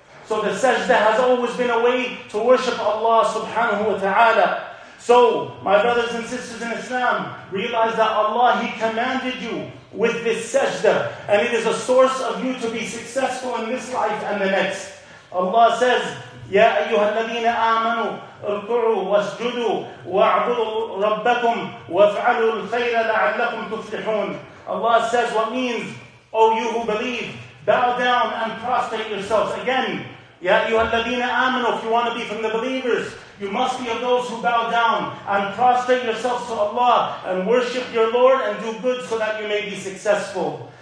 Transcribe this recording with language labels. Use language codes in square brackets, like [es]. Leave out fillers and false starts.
[en] So the sajda has always been a way to worship Allah subhanahu wa ta'ala. So, my brothers and sisters in Islam, realize that Allah, He commanded you with this sajda, and it is a source of you to be successful in this life and the next. Allah says, [ar] يَا أَيُّهَا الَّذِينَ آمَنُوا اركعوا واسجدوا واعبدوا ربكم وافعلوا الخير لعلكم تفلحون. [en] Allah says, what means? O you who believe, bow down and prostrate yourselves. Again, [ar] يَا أَيُّهَا الَّذِينَ آمَنُوا, [en] if you want to be from the believers, you must be of those who bow down and prostrate yourselves to Allah and worship your Lord and do good so that you may be successful.